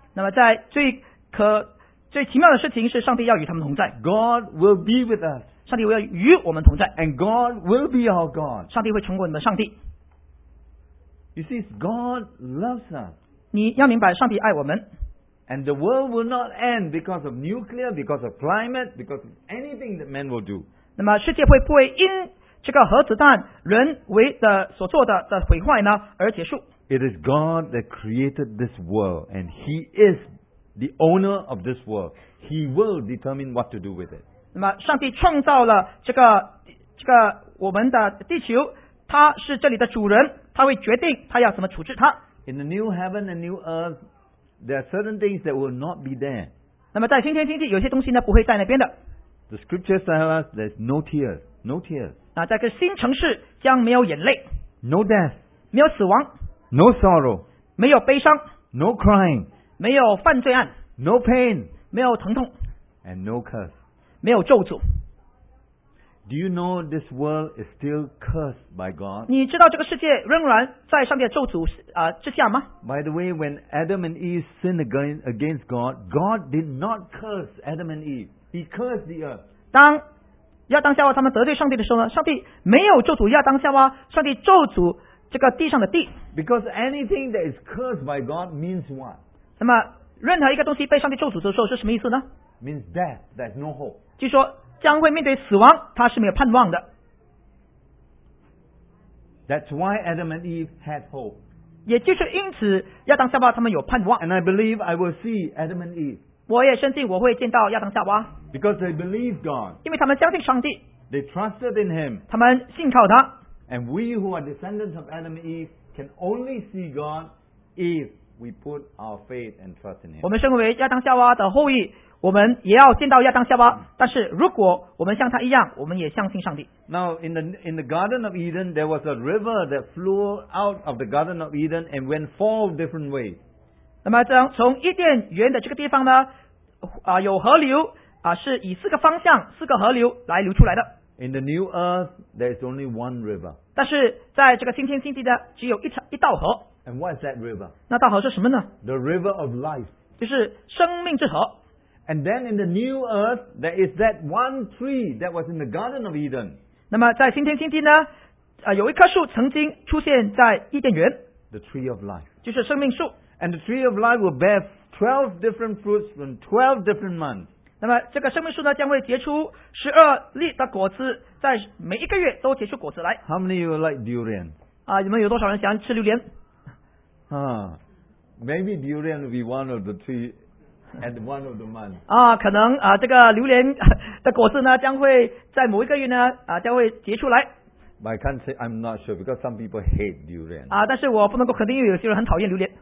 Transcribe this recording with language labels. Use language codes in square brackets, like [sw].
[zh] 那么在最可最奇妙的事情是上帝要与他们同在 [en] God will be with us [zh] 上帝要与我们同在 [en] And God will be our God [zh] 上帝会成为我们的上帝 [en] You see, God loves us [zh] 你要明白上帝爱我们 [en] And the world will not end because of nuclear, because of climate, because of anything that man will do [zh] 那么世界会不会因这个核子弹人为的所做 的毁坏呢而结束 [en] It is God that created this world and He isThe owner of this world, he will determine what to do with it. [zh] 那么上帝创造了这个这个我们的地球，他是这里的主人，他会决定他要怎么处置它。 [en] In the new heaven and new earth, there are certain things that will not be there. [zh] 那么在新天新地，有些东西呢不会在那边的。 [en] The scriptures tell us there's no tears, no tears. [zh] 那在个新城市将没有眼泪。 [en] No death, [zh] 没有死亡。 [en] No sorrow, [zh] 没有悲伤。 [en] No crying, [zh] 没有犯罪案。 [en] No pain, [zh] 没有疼痛。 [en] And no curse, [zh] 没有咒诅。 [en] Do you know this world is still cursed by God? [zh] 你知道这个世界仍然在上帝的咒诅之下吗？ [en] By the way, when Adam and Eve sinned against God, God did not curse Adam and Eve. He cursed the earth. [zh] 当亚当夏娃他们得罪上帝的时候呢，上帝没有咒诅亚当夏娃，上帝咒诅这个地上的地。 [en] Because anything that is cursed by God means what? [zh] 那么任何一个东西被上帝咒诅的时候是什么意思呢？ [en] Means death. There's no hope. [zh] 据说将会面对死亡，他是没有盼望的。 [en] That's why Adam and Eve had hope. [zh] 也就是因此，亚当夏娃他们有盼望。 [en] And I believe I will see Adam and Eve. [zh] 我也相信我会见到亚当夏娃。 [en] Because they believe God. [zh] 因为他们相信上帝。 [en] They trusted in Him. [zh] 他们信靠他。 [en] And we who are descendants of Adam and Eve can only see God if we put our faith and trust in Him. [zh] 我们身为亚当夏娃的后裔。我们也要见到亚当夏娃，但是如果我们像他一样，我们也相信上帝。 [en] Now in the Garden of Eden, there was a river that flew out of the Garden of Eden and went four different ways. [zh] 那么从伊甸园的这个地方呢，有河流是以四个方向，四个河流来流出来的。 [en] In the New Earth, there is only one river. [zh] 但是在这个新天新地呢，只有一道河。 [en] And what is that river? [zh] 那道河是什么呢？ [en] The river of life. [zh] 就是生命之河。 [en] And then in the new earth, there is that one tree that was in the Garden of Eden. [zh] 那么在新天新地呢，有一棵树曾经出现在伊甸园。 [en] The tree of life. [zh] 就是生命树。 [en] And the tree of life will bear 12 different fruits from 12 different months. [zh] 那么这个生命树呢，将会结出12粒的果子，在每一个月都结出果子来。 [en] How many of you like durian? [zh] 你们有多少人喜欢吃榴莲？ [en] Maybe durian will be one of the tree. And one of the months. [zh] 可能这个榴莲的果子呢，将会在某一个月呢，将会结出来。 [en] But I can't say I'm not sure because some people hate durian. [zh] 但是我不能够肯定，因为有些人很讨厌榴莲。